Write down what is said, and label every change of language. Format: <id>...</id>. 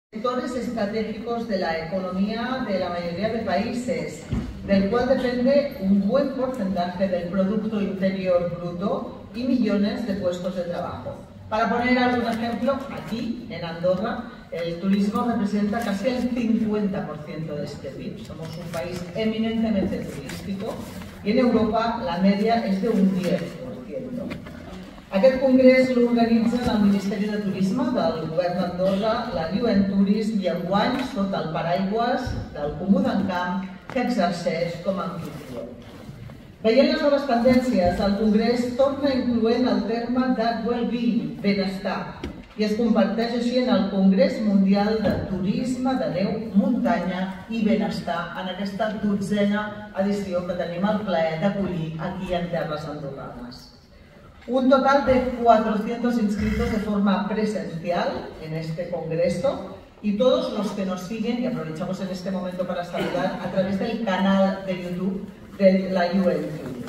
<es>sectores estratégicos de la economía de la mayoría de países, del cual depende un buen porcentaje del Producto Interior Bruto y millones de puestos de trabajo. Para poner algún ejemplo, aquí, en Andorra, el turismo representa casi el 50% de este PIB. Somos un país eminentemente turístico y en Europa la media es de un 10%.</es> <ca>Aquest congrés l'organitza el Ministeri de Turisme del Govern d'Andorra, la UN Tourism i enguany sota el paraigües del Comú d'en Camp que exerceix com a anfitrió. Veient les noves tendències, el congrés torna incloent el terme de well-being, benestar, i es comparteix així en el Congrés Mundial de Turisme de Neu, Muntanya i Benestar en aquesta 12a edició que tenim el plaer d'acollir aquí en Terres Andorranes.</ca> <es>Un total de 400 inscritos de forma presencial en este congreso y todos los que nos siguen, y aprovechamos en este momento para saludar, a través del canal de YouTube de la UNTU.</es>